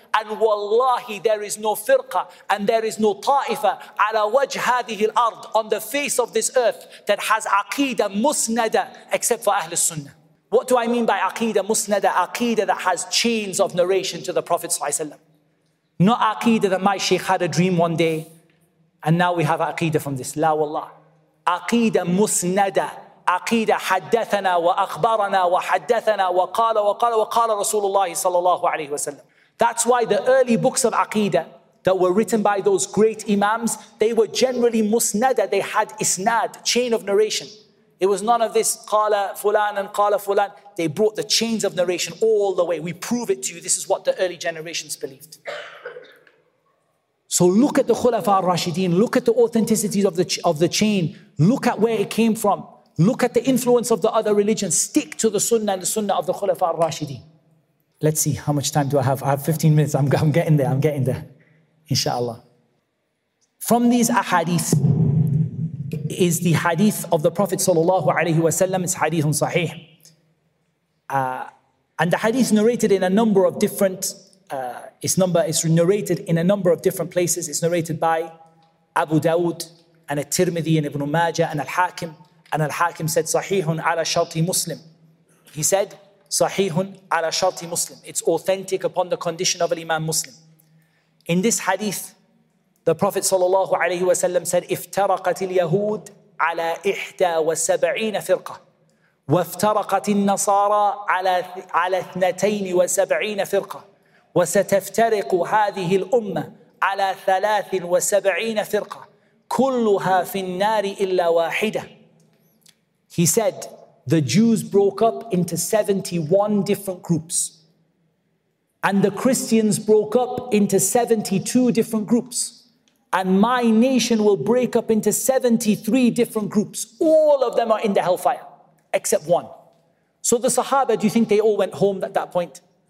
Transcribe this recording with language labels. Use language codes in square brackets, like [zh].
[en] And wallahi, there is no firqa and there is no ta'ifa [ar] ala wajhadihi al-ard, [en] on the face of this earth, that has aqeedah musnada except for Ahl Sunnah. What do I mean by aqeedah musnada? Aqeedah that has chains of narration to the Prophet ﷺ. Not aqeedah that my sheikh had a dream one day and now we have aqeedah from this. [ar] La wallah. Aqeedah musnada. عقيدة حدثنا وأخبرنا وحدثنا وقال وقال وقال رسول الله صلى الله عليه وسلم. [en] That's why the early books of Aqidah that were written by those great imams, they were generally musnada. They had isnad, chain of narration. It was none of this [ar] قال فلان [en] and قال فلان. They brought the chains of narration all the way. We prove it to you. This is what the early generations believed. So look at the Khulafa al-Rashidin. Look at the authenticity of the chain. Look at where it came from. Look at the influence of the other religions. Stick to the Sunnah and the Sunnah of the Khulafa al-Rashidin. Let's see, how much time do I have? I have 15 minutes. I'm getting there. Inshallah. From these ahadith is the hadith of the Prophet sallallahu alayhi wa sallam. It's hadithun sahih. And the hadith narrated in a number of different, it's narrated in a number of different places. It's narrated by Abu Dawud and At-Tirmidhi and Ibn Majah and Al-Hakim. And Al-Hakim said, [ar] Sahihun ala sharti Muslim. [en] He said, [ar] Sahihun ala sharti Muslim. [en] It's authentic upon the condition of an Imam Muslim. In this hadith, the Prophet sallallahu alayhi wa sallam said, [ar] افترقت اليهود على 71 فرقة وافترقت النصارى على 72 فرقة وستفترق هذه الأمة على 73 فرقة كلها في النار إلا واحدة. [en] He said, the Jews broke up into 71 different groups. And the Christians broke up into 72 different groups. And my nation will break up into 73 different groups. All of them are in the hellfire, except one. So the Sahaba, do you think they all went home at that point?